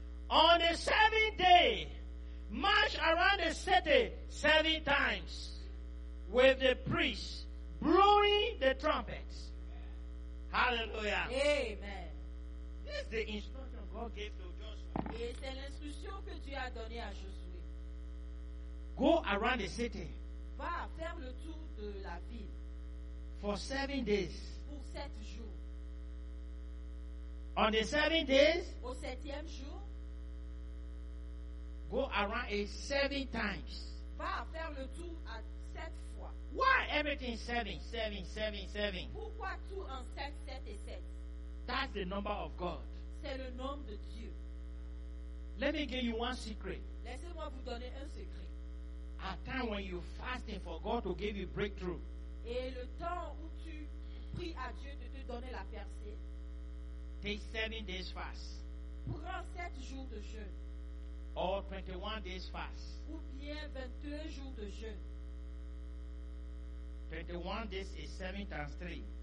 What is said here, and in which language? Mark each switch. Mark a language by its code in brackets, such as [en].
[en] On the 7th day, march around the city 7 times with the priests blowing the trumpets. Hallelujah. Amen. This is the instruction God gave to Joshua. [fr] Et c'est l'instruction que Dieu a donnée à Josué. [en] Go around the city. [fr] Va faire le tour de la ville. [en] For 7 days. [fr] Pour 7 jours. [en] On the 7 days. [fr] Au septième jour. [en] Go around it 7 times. [fr] Va faire le tour à 7 fois. [en] Why everything 7, 7, 7, 7? [fr] Pourquoi tout en 7, 7 et 7? [en] That's the number of God. [fr] C'est le nombre de Dieu. [en] Let me give you one secret. [fr] Laissez-moi vous donner un secret. [en] A time when you're fasting for God to give you breakthrough. [fr] Et le temps où tu pries à Dieu de te donner la percée. [en] Take 7 days fast. [fr] Prends 7 jours de jeûne. [en] Or 21 days fast. [fr] Ou bien 21 jours de jeûne. [en] 21 days is 7 times 3.